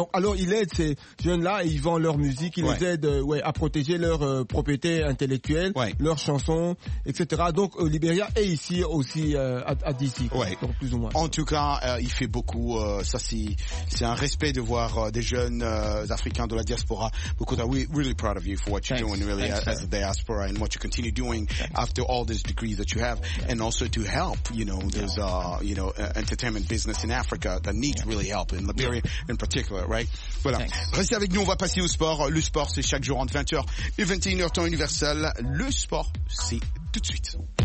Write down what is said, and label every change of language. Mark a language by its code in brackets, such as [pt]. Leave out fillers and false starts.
[fr] Alors il aide ces jeunes là et ils vendent leur musique, ils les aident à protéger leur propriété intellectuelle, leurs chansons, etc. Donc au Liberia et ici aussi à DC, donc plus ou moins. En tout cas, il fait beaucoup, ça c'est un respect de voir des jeunes africains de la diaspora. [en] Because I'm really proud of you for what you're doing, really. Thanks, as a diaspora, and what you continue doing after all these degrees that you have, and also to help, you know, those entertainment business in Africa that needs really help, in Liberia in particular, right? [fr] Voilà. [en] Thanks. [fr] Restez avec nous, on va passer au sport. Le sport, c'est chaque jour entre 20h et 21h, temps universel. Le sport, c'est tout de suite.